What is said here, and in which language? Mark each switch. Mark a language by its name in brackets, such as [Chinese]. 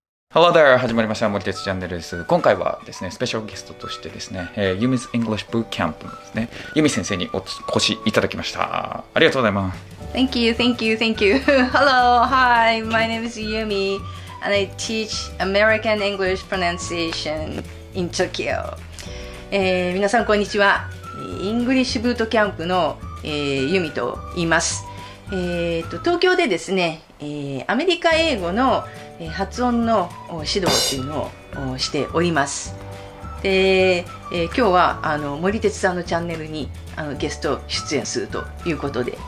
[English] Hello there! [Japanese] 始まりました森哲チャンネルです。今回はですね、スペシャルゲストとしてですね、Yumi's English Bootcamp のですね、Yumi先生にお越しいただきました。ありがとうございます。 [English] Thank you, thank you, thank you. Hello, hi, my name is Yumi, and I teach American English pronunciation in Tokyo. [Japanese] 皆さんこんにちは。 English Bootcamp の、Yumi と言います。東京でですね、アメリカ英語の発音の指導というのをしております。で、今日はあの森哲さんのチャンネルにあのゲスト出演するということで、